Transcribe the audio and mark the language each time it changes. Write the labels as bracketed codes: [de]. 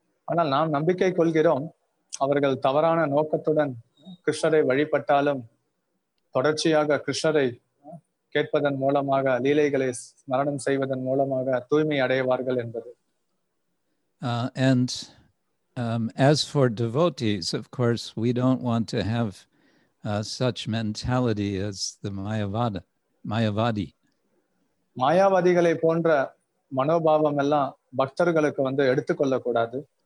[ta] ஆனால் நாம் நம்பிக்கை கொள்கிறோம் அவர்கள் தவறான நோக்கத்துடன் கிருஷ்ணரை வழிபட்டாலும் தொடர்ச்சியாக கிருஷ்ணரை கேட்பதன் மூலமாக லீலைகளை ஸ்மரணம் செய்வதன் மூலமாக தூய்மை அடைவார்கள் என்பது. [en] And as for devotees, of course we don't want to have such mentality as the Mayavada, Mayavadi. [ta] மாயாவாதிகளை போன்ற மனோபாவம் எல்லாம் பக்தர்களுக்கு வந்து எடுத்துக்கொள்ள கூடாது.